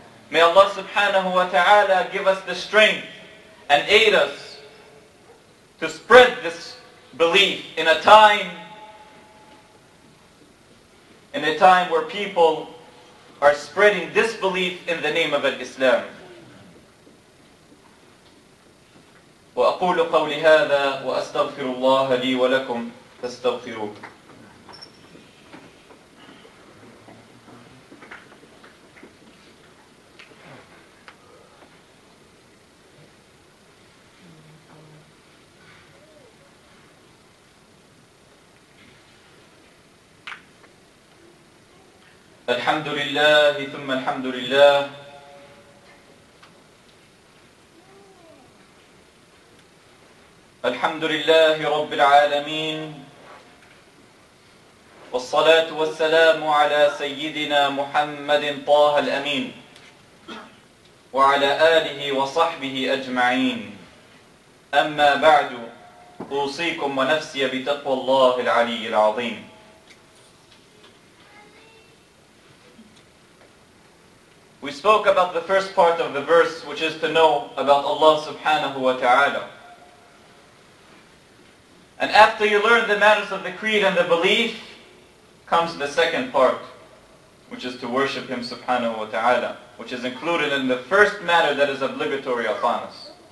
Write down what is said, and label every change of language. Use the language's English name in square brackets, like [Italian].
[English] May Allah subhanahu wa ta'ala give us the strength and aid us to spread this belief in a time where people are spreading disbelief in the name of Islam. [Arabic] وأقول قولي هذا وأستغفر الله لي ولكم فاستغفروه. الحمد لله ثم الحمد لله، الحمد لله رب العالمين، والصلاة والسلام على سيدنا محمد طه الأمين وعلى آله وصحبه أجمعين. أما بعد، أوصيكم ونفسي بتقوى الله العلي العظيم. [English] We spoke about the first part of the verse, which is to know about Allah subhanahu wa ta'ala. And after you learn the matters of the creed and the belief, comes the second part, which is to worship Him subhanahu wa ta'ala, which is included in the first matter that is obligatory upon us.